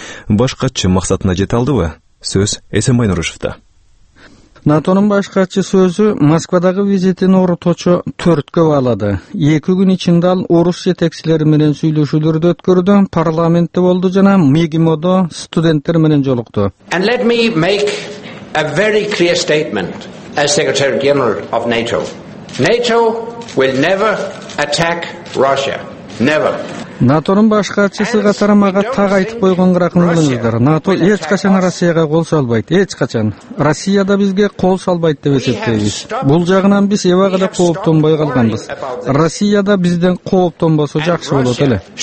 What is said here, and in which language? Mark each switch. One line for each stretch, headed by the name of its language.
Kyrgyz: Башкачы максатына жете алдыбы? Сөз Эсенбай Нурушевда. НАТОнун башкачысы өзү Москвадагы визитин орточо 4 күнгө баалады. 2 күн ичинде ал орус жетекчилери менен сүйлөшүүлөрдү өткөрдү, парламентте болду жана МИГИМОдо студенттер менен жолукту.
English: And let me make a very clear statement as Secretary General of NATO. NATO will never attack Russia. Never.
Kyrgyz: НАТОнун башкачысы катары мага тагы айтып койгон ыраагын билиңиздер. НАТО эч качан Россияга кол салбайт, эч качан. Россия да бизге кол салбайт деп эсептейбиз. Бул жагынан биз эбагада кооптонбой калганбыз. Россия да бизден кооптонбосо жакшы болот эле.